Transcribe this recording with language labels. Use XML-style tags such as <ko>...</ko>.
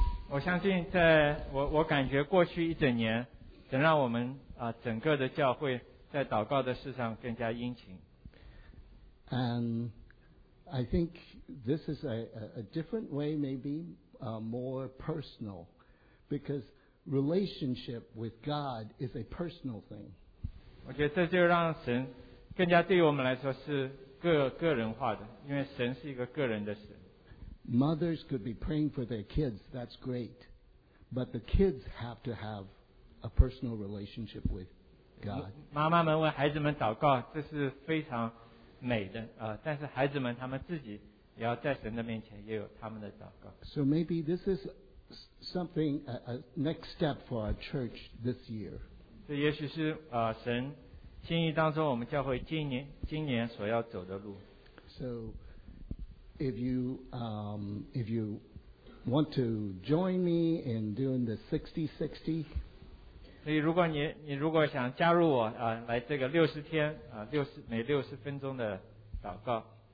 <zh>我相信在我感觉过去一整年，神让我们整个的教会在祷告的事上更加殷勤。</zh> <en>And I think this is a different way, maybe more personal, because relationship with God is a personal thing.</en> <zh>我觉得这就让神更加对于我们来说是。个人化的，因为神是一个个人的神。</zh> <en>Mothers could be praying for their kids, that's great. But the kids have to have a personal relationship with God.</en> <zh>妈妈们为孩子们祷告，这是非常美的，但是孩子们他们自己也要在神的面前也有他们的祷告。</zh> <en>So maybe this is something, a next step for our church this year.</en> <zh>这也许是神心意当中，我们教会今年所要走的路。</zh> <en>So, if you want to join me in doing the 60-60,</en> <zh>所以如果你如果想加入我啊，来这个六十天啊，每六十分钟的祷告。</zh>